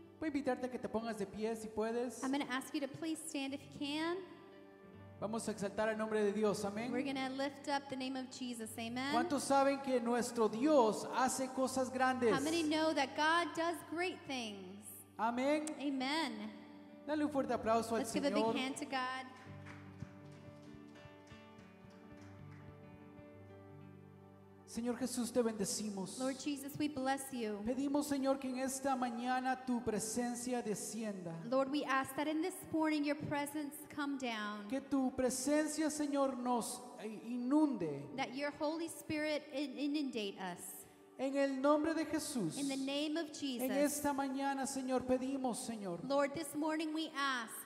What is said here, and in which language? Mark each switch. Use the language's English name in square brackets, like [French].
[Spanish] Voy a invitarte a que te pongas de pie si puedes. [English] I'm going to ask you to please stand if you can. [Spanish] Vamos a exaltar el nombre de Dios. Amén. [English] We're going to lift up the name of Jesus. Amen. [Spanish] ¿Cuántos saben que nuestro Dios hace cosas grandes? [English] How many know that God does great things? [Spanish] Amén. [English] Amen. [Spanish] Dale un fuerte aplauso al Señor. [English] Let's give a big hand to God. [Spanish] Señor Jesús, te bendecimos. [English] Lord Jesus, we bless you. [Spanish] Pedimos, Señor, que en esta mañana tu presencia descienda. [English] Lord, we ask that in this morning your presence come down. [Spanish] Que tu presencia, Señor, nos inunde. [English] That your Holy Spirit inundate us. [Spanish] En el nombre de Jesús. [English] In the name of Jesus. [Spanish] En esta mañana, Señor, pedimos, Señor. [English] Lord, this morning we ask.